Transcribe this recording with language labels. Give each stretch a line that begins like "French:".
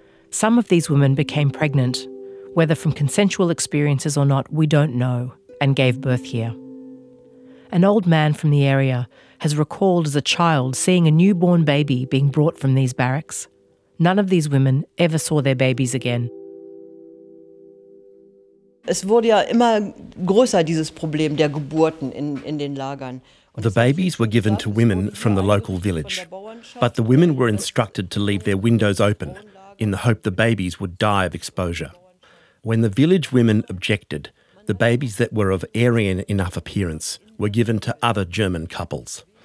English: Some of these women became pregnant, whether from consensual experiences or not, we don't know, and gave birth here. An old man from the area has recalled as a child seeing a newborn baby being brought from these barracks. None of these women ever saw their babies again.
German: Es wurde ja immer größer, dieses Problem der Geburten in den Lagern.
English: The babies were given to women from the local village, but the women were instructed to leave their windows open in the hope the babies would die of exposure. When the village women objected, the babies that were of Aryan enough appearance were given to other German couples.